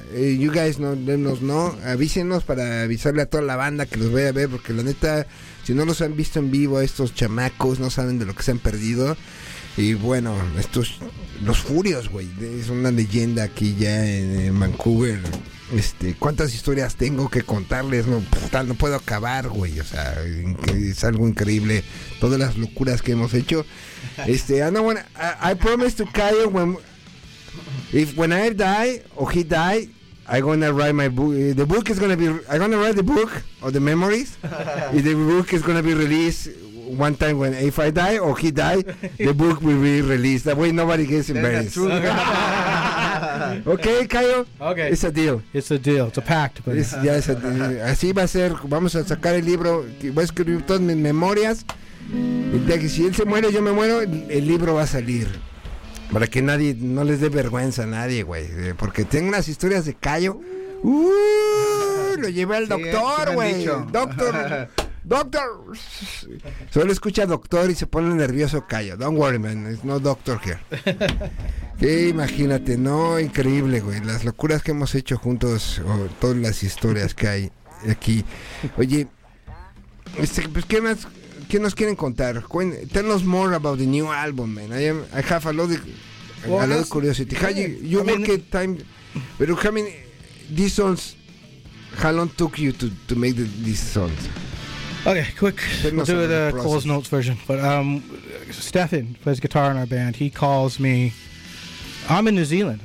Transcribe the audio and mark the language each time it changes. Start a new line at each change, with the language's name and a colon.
English: You guys,
Spanish: no, avísenos para avisarle a toda la banda que los vaya a ver, porque la neta, si no los han visto en vivo a estos chamacos, no saben de lo que se han perdido. Y bueno, estos, los Furios, güey, es una leyenda aquí ya en Vancouver. ¿Cuántas historias tengo que contarles? No puedo acabar, güey, o sea, es algo increíble todas las locuras que hemos hecho.
English: I promise to Kyle, when I die or he die, I'm gonna write my book. The book is gonna be, I'm gonna write the book of the memories. And the book is gonna be released one time when, if I die or he die, the book will be released. That way nobody gets embarrassed. Okay, Kyle. Okay. It's a deal. It's a deal. It's a pact. But it's a deal.
Spanish: Así va a ser. Vamos a sacar el libro. Voy a escribir todas mis memorias. Y de que si él se muere, yo me muero, el libro va a salir. Para que nadie, no les dé vergüenza a nadie, güey. Porque tengo unas historias de callo. Lo llevé al doctor, güey. Doctor. Solo escucha doctor y se pone nervioso callo.
English: Don't worry, man. It's no doctor here.
Spanish: Que imagínate, ¿no? Increíble, güey. Las locuras que hemos hecho juntos, todas las historias que hay aquí. Oye, pues, ¿qué más? ¿Qué nos quieren contar?
English: Tell us more about the new album, man. I have a lot of, well, a lot of curiosity. How you make it time? But how many these songs? How long took you to make these songs? Okay, quick. We'll do the Cole's Notes version. But Stefan plays guitar in our band. He calls me. I'm in New Zealand.